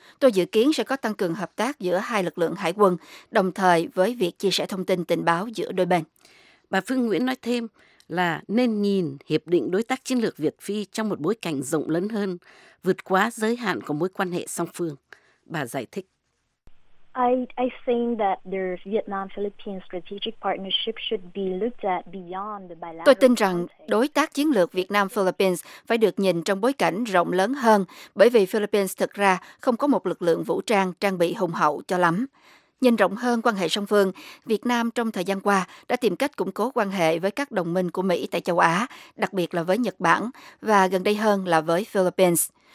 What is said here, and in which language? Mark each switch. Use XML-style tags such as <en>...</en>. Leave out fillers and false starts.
<vi>Tôi dự kiến sẽ có tăng cường hợp tác giữa hai lực lượng hải quân, đồng thời với việc chia sẻ thông tin tình báo giữa đôi bên. Bà Phương Nguyễn nói thêm là nên nhìn Hiệp định Đối tác Chiến lược Việt-Phi trong một bối cảnh rộng lớn hơn, vượt quá giới hạn của mối quan hệ song phương. Bà giải thích.</vi> <en>I think that the Vietnam-Philippine strategic partnership should be looked at beyond the bilateral.</en> <vi>Tôi tin rằng đối tác chiến lược Việt Nam-Philippines phải được nhìn trong bối cảnh rộng lớn hơn, bởi vì Philippines thực ra không có một lực lượng vũ trang trang bị hùng hậu cho lắm. Nhìn rộng hơn quan hệ song phương, Việt Nam trong thời gian qua đã tìm cách củng cố quan hệ với các đồng minh của Mỹ tại châu Á, đặc biệt là với Nhật Bản, và gần đây hơn là với Philippines.</vi>